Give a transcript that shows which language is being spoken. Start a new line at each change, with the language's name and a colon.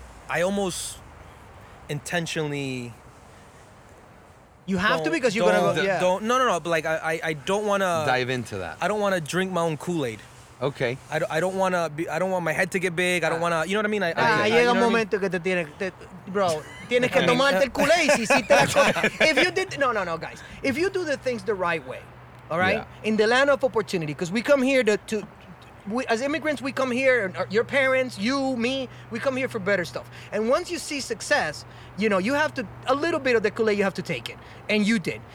English: I almost intentionally... You have to, because you're going to go... I don't want to... Dive into that. I don't want to drink my own Kool-Aid. Okay. I don't want my head to get big. I don't want to... You know what I mean?
Spanish: Llega un momento que te tiene... Bro, tienes que tomarte el Kool-Aid si hiciste la cosa.
English: If you did... No, guys. If you do the things the right way, all right? Yeah. In the land of opportunity, because we come here to We, as immigrants, we come here, your parents, you, me, we come here for better stuff. And once you see success, you know, you have to, a little bit of the Kool-Aid, you have to take it. And you did.